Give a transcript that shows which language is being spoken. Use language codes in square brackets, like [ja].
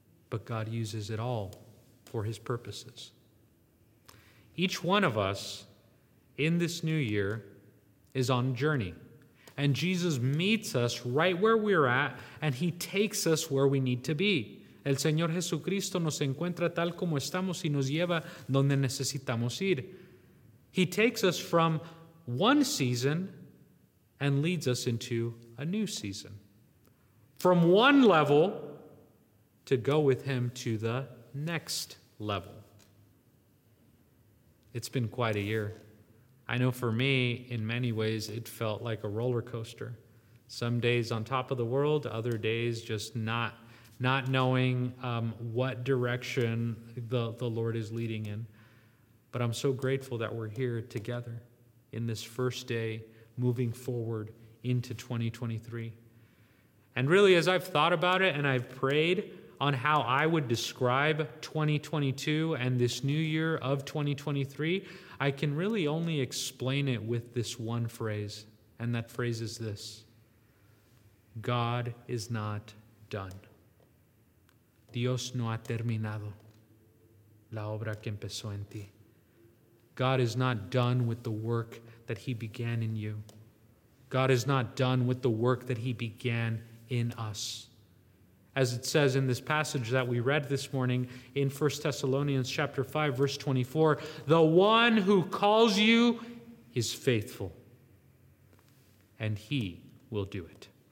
[en] But God uses it all for his purposes. Each one of us in this new year is on a journey. And Jesus meets us right where we're at, and he takes us where we need to be. [es] El Señor Jesucristo nos encuentra tal como estamos y nos lleva donde necesitamos ir. [en] He takes us from one season and leads us into a new season. From one level to go with him to the next level. It's been quite a year. I know for me, in many ways, it felt like a roller coaster. Some days on top of the world, other days just not knowing what direction the Lord is leading in. But I'm so grateful that we're here together in this first day moving forward into 2023. And really, as I've thought about it and I've prayed on how I would describe 2022 and this new year of 2023, I can really only explain it with this one phrase, and that phrase is this: God is not done. [es] Dios no ha terminado la obra que empezó en ti. [en] God is not done with the work that he began in you. God is not done with the work that he began in us. As it says in this passage that we read this morning in 1 Thessalonians chapter 5, verse 24, the one who calls you is faithful, and he will do it.